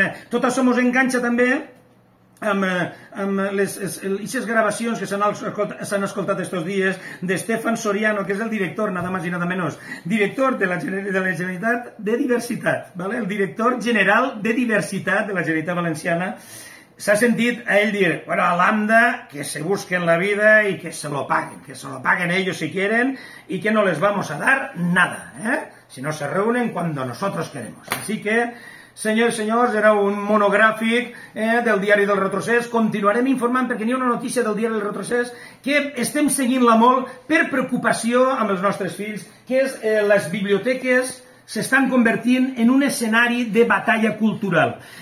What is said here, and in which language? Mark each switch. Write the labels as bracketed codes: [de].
[ca] Tot això mos enganxa també amb les gravacions que s'han escoltat estos dies d'Estefan Soriano, que és el director, [es] nada más y nada menos, [ca] director de la Generalitat de Diversitat, ¿vale? El director general de Diversitat de la Generalitat Valenciana. S'ha sentit a ell dir: [es] bueno, a l'AMDA que se busquen la vida i que se lo paguen, que se lo paguen ellos si quieren, i que no les vamos a dar nada, si no se reúnen cuando nosotros queremos. Así que, [ca] senyors i senyors, era un monogràfic del diari del Retrocés. Continuarem informant, perquè n'hi ha una notícia del diari del Retrocés que estem seguint-la molt per preocupació amb els nostres fills, que és les biblioteques s'estan convertint en un escenari de batalla cultural.